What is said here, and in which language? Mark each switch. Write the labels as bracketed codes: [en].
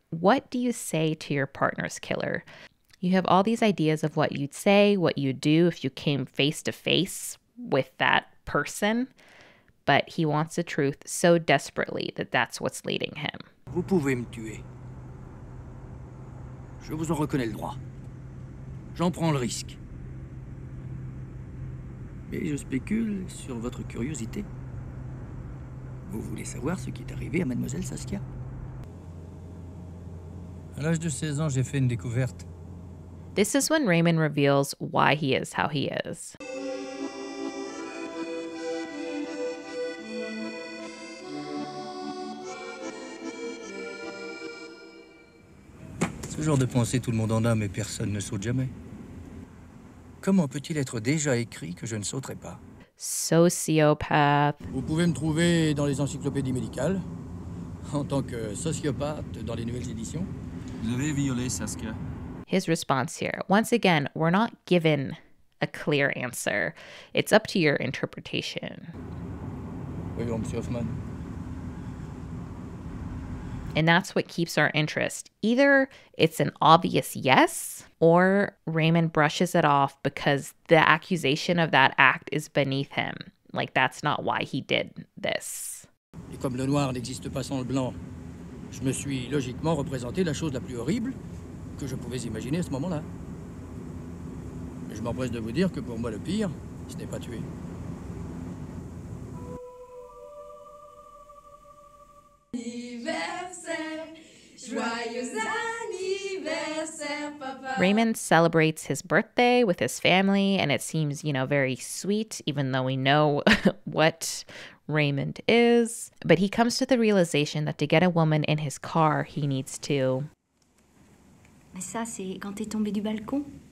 [en] What do you say to your partner's killer? You have all these ideas of what you'd say, what you'd do if you came face to face with that person, but he wants the truth so desperately that that's what's leading him. [fr] Vous pouvez me tuer. Je vous en reconnais le droit. J'en prends le risque. Mais je spécule sur votre curiosité. Vous voulez savoir ce qui est arrivé à Mademoiselle Saskia? À l'âge de 16 ans, j'ai fait une découverte. [en] This is when Raymond reveals why he is how he is. [fr] Ce genre de pensée, tout le monde en a, mais personne ne saute jamais. Comment peut-il être déjà écrit que je ne sauterai pas? [en] Sociopath. [fr] Vous pouvez me trouver dans les encyclopédies médicales, en tant que sociopathe dans les nouvelles éditions. Vous avez violé Saskia. [en] His response here. Once again, we're not given a clear answer. It's up to your interpretation. [fr] Voyons, Monsieur Hoffman. [en] And that's what keeps our interest. Either it's an obvious yes, or Raymond brushes it off because the accusation of that act is beneath him. Like, that's not why he did this. [fr] Et comme le noir n'existe pas sans le blanc, je me suis logiquement représenté la chose la plus horrible que je pouvais imaginer à ce moment-là. Mais je m'empresse de vous dire que pour moi, le pire, ce n'est pas tuer. [en] Raymond celebrates his birthday with his family, and it seems, you know, very sweet, even though we know what Raymond is. But he comes to the realization that to get a woman in his car, he needs to... [fr] Mais ça, c'est quand t'es tombé du balcon.